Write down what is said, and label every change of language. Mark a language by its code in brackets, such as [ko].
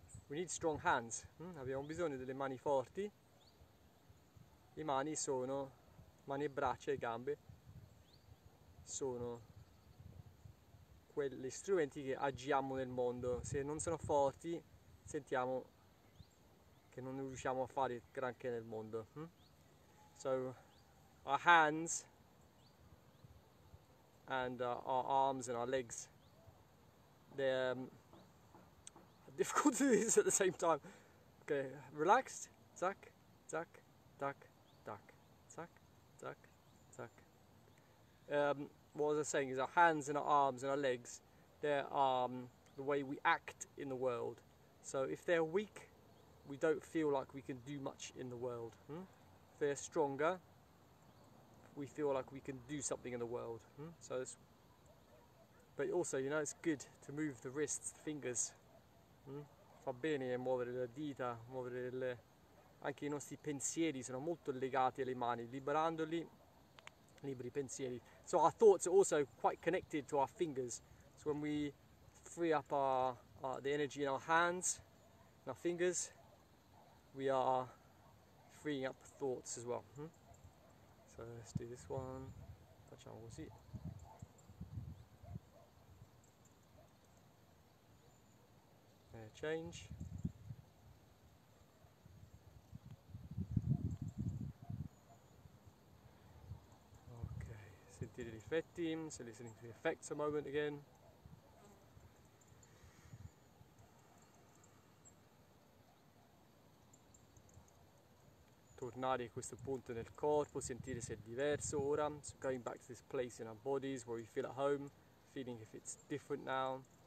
[en] we need strong hands, [it] abbiamo bisogno delle mani forti, le mani sono, mani e braccia e gambe sono quegli strumenti che agiamo nel mondo. Se non sono forti, sentiamo che non riusciamo a fare granché nel mondo. [en] So, our hands and our arms and our legs, they're difficult to do this at the same time. Okay, relaxed. Zack, zack, duck, duck, zack, zack, zack. What was I saying is our hands and our arms and our legs, they're the way we act in the world. So if they're weak, we don't feel like we can do much in the world. If they're stronger, we feel like we can do something in the world. So that's But also, you know, it's good to move the wrists, the fingers. [it] Fa bene muovere le dita, muovere le... Anche I nostri pensieri sono molto legati alle mani, liberandoli, liberi I pensieri. [en] So our thoughts are also quite connected to our fingers. So when we free up the energy in our hands, in our fingers, we are freeing up thoughts as well. So let's do this one. [it] Facciamo così. [en] Change. Okay, [it] sentire gli effetti, [en] so listening to the effects a moment again. [it] Tornare a questo punto nel corpo, sentire se è diverso ora. [en] So going back to this place in our bodies where we feel at home, feeling if it's different now.